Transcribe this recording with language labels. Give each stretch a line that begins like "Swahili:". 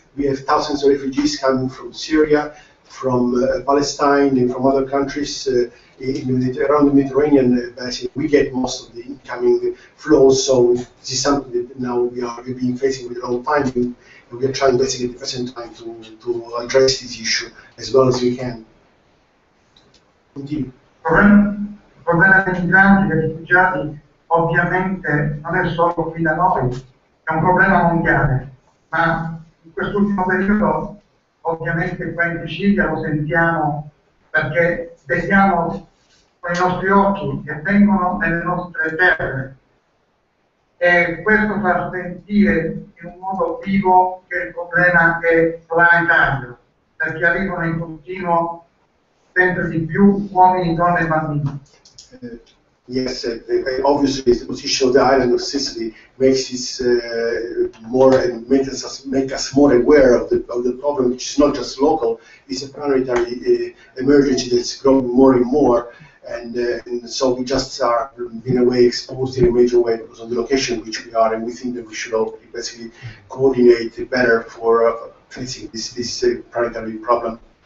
English: We have thousands of refugees coming from Syria, from Palestine, and from other countries around the Mediterranean. Basically, we get most of the incoming flows. So this is something that now we are being facing with a long time, and we are trying basically at the present time to address this issue as well as we can. Continue.
Italian: Il problema dei migranti, dei rifugiati, ovviamente non è solo qui da noi, è un problema mondiale, ma in quest'ultimo periodo, ovviamente qua in Sicilia lo sentiamo perché vediamo con i nostri occhi che vengono nelle nostre terre e questo fa sentire in un modo vivo che il problema è planetario, perché arrivano in continuo sempre di più uomini, donne e bambini.
English: Yes, obviously the position of the island of Sicily makes us more and makes us more aware of the problem, which is not just local; it's a planetary emergency that's growing more and more. And so we just are in a way exposed in a major way because of the location in which we are, and we think that we should all basically coordinate better for facing this planetary problem.